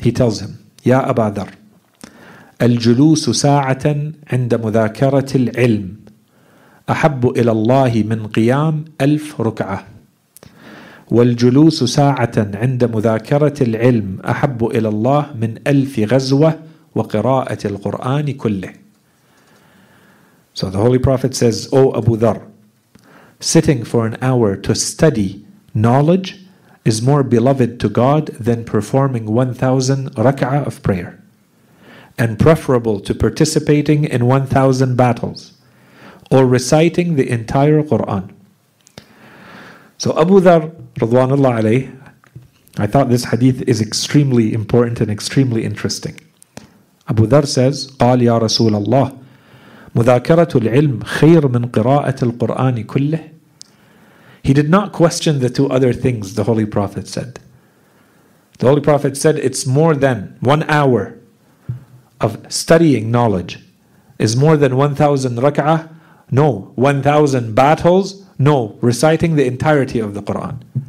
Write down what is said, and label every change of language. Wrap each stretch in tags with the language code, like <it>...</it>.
<en>He tells him,</en> <ar>Ya Aba Dharr, الجلوس ساعة عند مذاكرة العلم أحب إلى الله من قيام 1000 ركعة والجلوس ساعة عند مذاكرة العلم أحب إلى الله من 1000 غزوة وقراءة القرآن كله.</ar> <en>So the Holy Prophet says, O Abu Dharr, sitting for an hour to study knowledge is more beloved to God than performing 1000 rak'ah of prayer, and preferable to participating in 1000 battles or reciting the entire Quran. So Abu Dharr, radhwanullah alayh, I thought this hadith is extremely important and extremely interesting. Abu Dharr says,</en> <ar>قال يا رسول الله مذاكرة العلم خير من قراءة القرآن كله.</ar> <en>He did not question the two other things the Holy Prophet said. The Holy Prophet said, it's more than 1 hour of studying knowledge. Is more than 1,000 rak'ah? No. 1,000 battles? No. Reciting the entirety of the Quran.</en>